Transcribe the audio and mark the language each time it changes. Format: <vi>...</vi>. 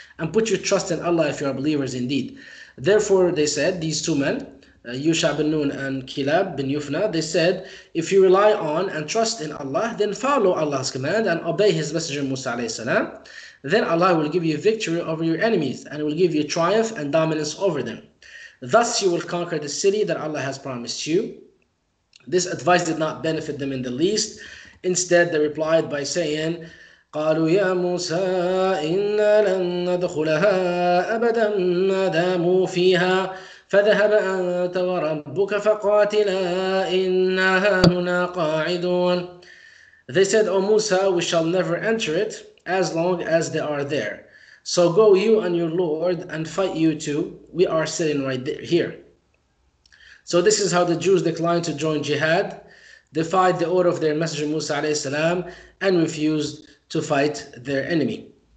<en>And put your trust in Allah if you are believers indeed. Therefore, they said, these two men, Yusha bin Nun and Kilab bin Yufna, they said, if you rely on and trust in Allah, then follow Allah's command and obey His messenger Musa alayhi salam, then Allah will give you victory over your enemies and will give you triumph and dominance over them. Thus, you will conquer the city that Allah has promised you. This advice did not benefit them in the least. Instead, they replied by saying,</en> <ar>قَالُوا يَا مُوسَىٰ إِنَّا لَن نَدْخُلَهَا أَبَدًا مَا دَامُوا فِيهَا فَذَهَبَ أَنْتَ وَرَبُّكَ فَقَاتِلَا إِنَّا هَاهُنَا قَاعِدُونَ.</ar> <en>They said, O Musa, we shall never enter it as long as they are there. So go you and your Lord and fight you too. We are sitting right there, here. So this is how the Jews declined to join jihad, defied the order of their messenger Musa alayhi salam, and refused to fight their enemy.</en>